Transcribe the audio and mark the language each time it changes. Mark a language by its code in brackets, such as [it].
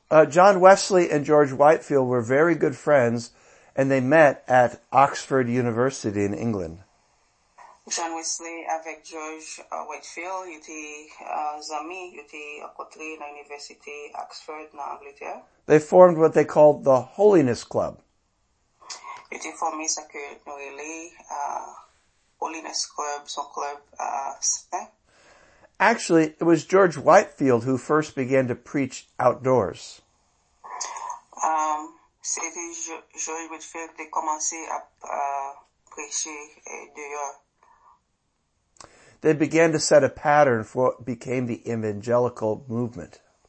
[en] John Wesley and George Whitefield were very good friends, and they met at Oxford University in England. [fr] John Wesley avec George Whitefield était amis, était côté à l'université Oxford en Angleterre. [en] They formed what they called the Holiness Club. [fr] Ils ont formé ce que nous appelons Holiness Club, son club saint. [en] Actually, it was George Whitefield who first began to preach outdoors. [fr] C'était George Whitefield qui a commencé à prêcher dehors. [en] They began to set a pattern for what became the evangelical movement.